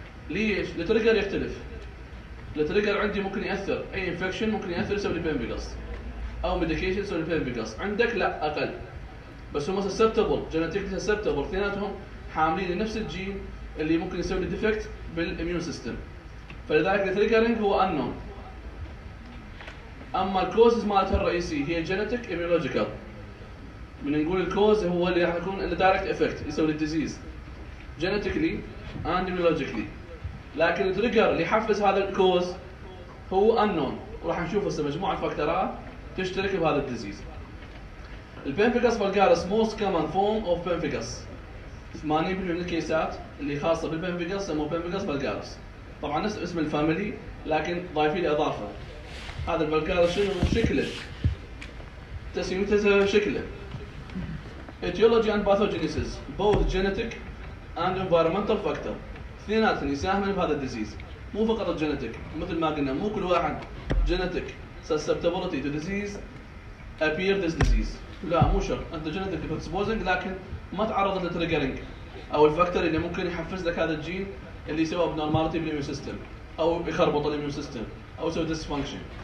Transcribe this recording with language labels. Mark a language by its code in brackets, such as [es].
[ar] ليش؟ التريجر يختلف. التريجر عندي ممكن ياثر، اي انفكشن ممكن ياثر يسوي البنفيغاس او ميديكيشن يسوي البنفيغاس. عندك لا اقل، بس هم سسبتبل جينيتيكلي سسبتبل، اثنيناتهم حاملين نفس الجين اللي ممكن يسوي ديفكت بالاميون سيستم. [en] فلذلك the triggering هو unknown. [ar] أما الكوزز مالتها الرئيسي هي genetic immunological. من نقول الكوز هو اللي راح يكون اللي direct effect يسوي الديزيز genetically and immunologically. لكن التريجر اللي يحفز هذا الكوز هو unknown. وراح نشوف هسه مجموعة فاكتورات تشترك بهذا الديزيز. [en] البنفيكس vulgaris most common form of pemphigus. [ar] 80% من الكيسات اللي خاصة بالبنفيكس سموه بنفيكس فالجارس. طبعا نفس اسم الفاميلي لكن ضايفين إضافة. هذا الفالجارس شنو شكله؟ تسميته شكله. [en] Etiology and pathogenesis both genetic and environmental factor. [ar] اثنينات يساهمون بهذا الديزيز. مو فقط الجينيتيك مثل ما قلنا مو كل واحد جينيتيك susceptibility to disease appear this disease. لا مو شرط انت جينيتيك exposing لكن ما تعرض للتريجرينج او الفاكتور اللي ممكن يحفز لك هذا الجين اللي يسوي abnormality بالإيميو سيستم او يخربط الإيميو سيستم او يسوي dysfunction.